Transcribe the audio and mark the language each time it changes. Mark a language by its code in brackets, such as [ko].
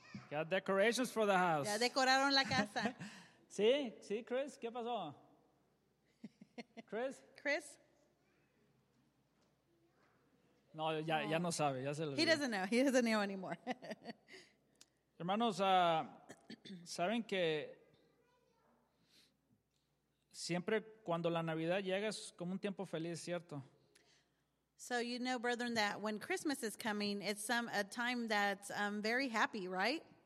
[en] Got decorations for the house. [es] Ya decoraron la casa. ¿Sí? ¿Sí, Chris? ¿Qué pasó? ¿Chris? Chris? No, ya no sabe. Ya se lo he olvidó. [en] Doesn't know. He doesn't know anymore. [es] Hermanos, ¿saben que siempre cuando la Navidad llega es como un tiempo feliz, cierto? [en] So you know, brethren, that when Christmas is coming, it's a time that's very happy, right?